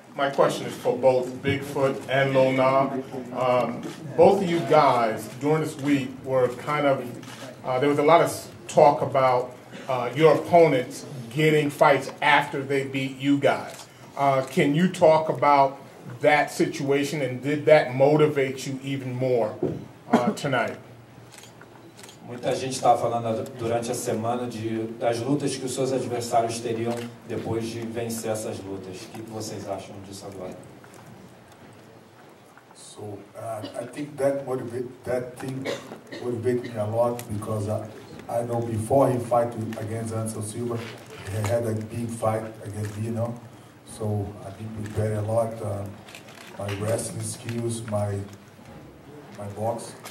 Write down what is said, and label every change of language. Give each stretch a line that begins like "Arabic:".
English: My question is for both Bigfoot and Lil Nog. Both of you guys, during this week, were kind of, there was a lot of talk about your opponents getting fights after they beat you guys. Can you talk about that situation, and did that motivate you even more tonight?
Portuguese: Muita gente estava falando durante a semana das lutas que os seus adversários teriam depois de vencer essas lutas. O que vocês acham disso agora?
English: So, I think that thing motivated me a lot, because I know before he fight against Anderson Silva, he had a big fight against me, you know. So I've been preparing a lot, my wrestling skills, my box.